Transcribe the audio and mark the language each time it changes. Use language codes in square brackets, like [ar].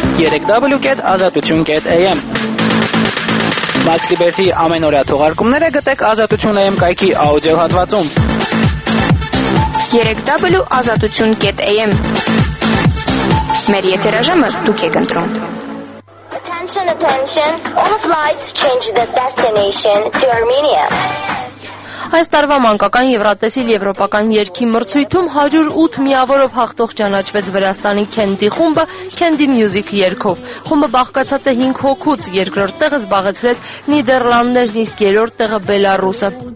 [hy] www.azatutyun.am Max Liberty ամենօրյա թողարկումները գտեք Ազատություն.am կայքի աուդիո հատվածում. www.azatutyun.am Մեր եթերաժամը դուք եք ընտրում։ [en] Attention, attention, all flights change the destination to Armenia. [hy] Այս տարվա մանկական Եվրատեսիլ Եվրոպական երգի մրցույթում 108 միավորով հաղթող ճանաչվեց Վրաստանի Քենդի խումբը Քենդի Մյուզիկ երգով։ Խումբը բաղկացած է 5 հոգուց, երկրորդ տեղը զբաղեցրեց Նիդերլանդներն, իսկ երրորդ տեղը Բելարուսը։